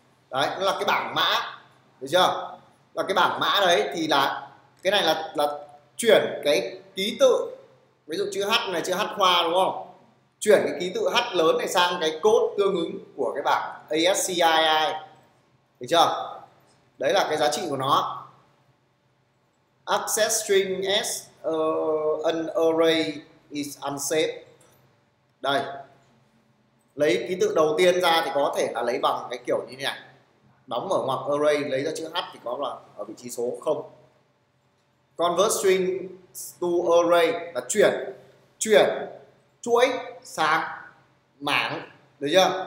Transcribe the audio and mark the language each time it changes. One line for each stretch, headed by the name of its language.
Vietnamese: Đấy, nó là cái bảng mã. Được chưa? Là cái bảng mã đấy thì là cái này là chuyển cái ký tự, ví dụ chữ H này, chữ H khoa đúng không? Chuyển cái ký tự H lớn này sang cái code tương ứng của cái bảng ASCII. Được chưa? Đấy là cái giá trị của nó.
English: Access string as an array is unsafe.
Vietnamese: Đây. Lấy ký tự đầu tiên ra thì có thể là lấy bằng cái kiểu như thế này. Đóng mở ngoặc array lấy ra chữ H thì có là ở vị trí số 0.
English: Convert string to array
Vietnamese: là chuyển chuỗi sang mảng. Được chưa?